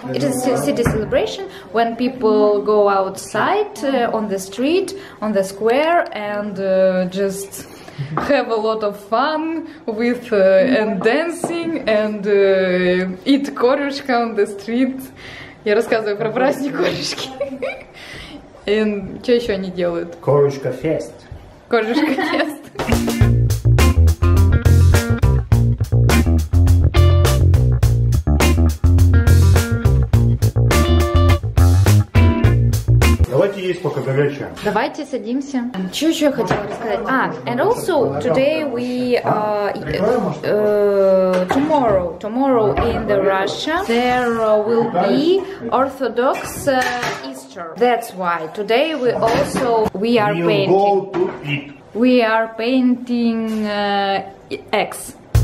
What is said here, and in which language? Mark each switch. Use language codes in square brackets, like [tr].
[en] It is a city celebration when people go outside on the street, on the square and just have a lot of fun with and dancing and eat korushka on the street. [ru] Я рассказываю про праздник корюшки. И что еще они делают? Корюшка фест. Корюшка фест. Давайте есть пока горячее. Давайте садимся. Что еще я хотела рассказать? [en] А, and also today we tomorrow in the Russia there will be Orthodox Easter. That's why today we also we are painting eggs.